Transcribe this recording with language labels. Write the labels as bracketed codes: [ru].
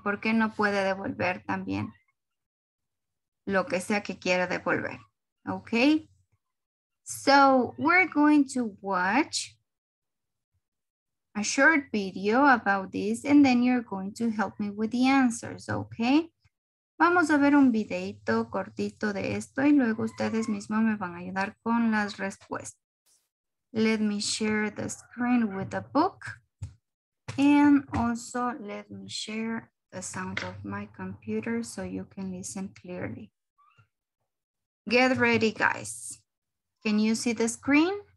[es] ¿Por qué no puede devolver también lo que sea que quiera devolver? [en] Okay, so we're going to watch a short video about this and then you're going to help me with the answers, okay? [es] Vamos a ver un videito cortito de esto y luego ustedes mismos me van a ayudar con las respuestas. [en] Let me share the screen with the book. And also let me share the sound of my computer so you can listen clearly. Get ready, guys. Can you see the screen?